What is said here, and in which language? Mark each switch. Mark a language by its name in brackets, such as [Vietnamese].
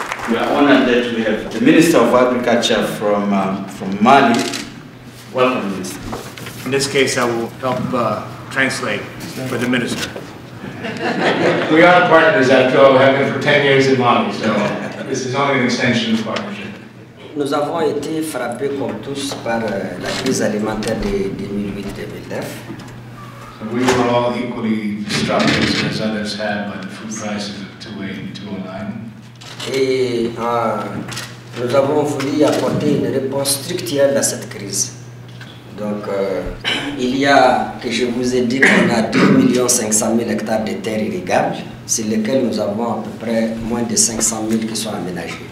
[English] We are honored that we have the Minister of Agriculture from Mali. Welcome, Minister. In this case, I will help translate for the Minister. We are partners after all. We have been for 10 years in Mali, so this is only an extension of the partnership. [French] Nous avons été frappés comme tous par la crise alimentaire de [English] 2008-2009. We were all equally struck as others have by the food prices of 2008 and 2009. [French] Nous avons voulu apporter une réponse structurelle à cette crise. Donc, il y a, que je vous ai dit, qu'on a 2 500 000 hectares de terres irrigables, sur lesquels nous avons à peu près moins de 500 000 qui sont aménagés.